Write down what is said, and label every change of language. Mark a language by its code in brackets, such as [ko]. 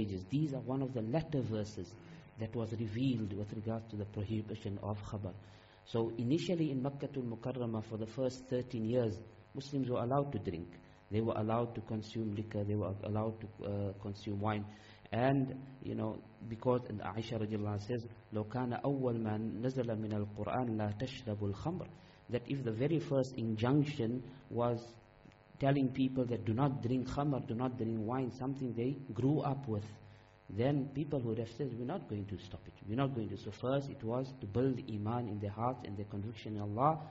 [en] These are one of the latter verses that was revealed with regards to the prohibition of khabar. So initially in Makkatul Mukarramah for the first 13 years, Muslims were allowed to drink. They were allowed to consume liquor. They were allowed to consume wine. And, you know, because in Aisha radiallahu anha says, [ar] لَوْ كَانَ أَوَّلْ مَا نَزَلَ مِنَ الْقُرْآنِ لَا تَشْرَبُ الْخَمْرِ. [en] That if the very first injunction was telling people that do not drink khamar, do not drink wine, something they grew up with, then people would have said, we're not going to stop it. We're not going to. So first it was to build iman in their hearts and their conviction in Allah.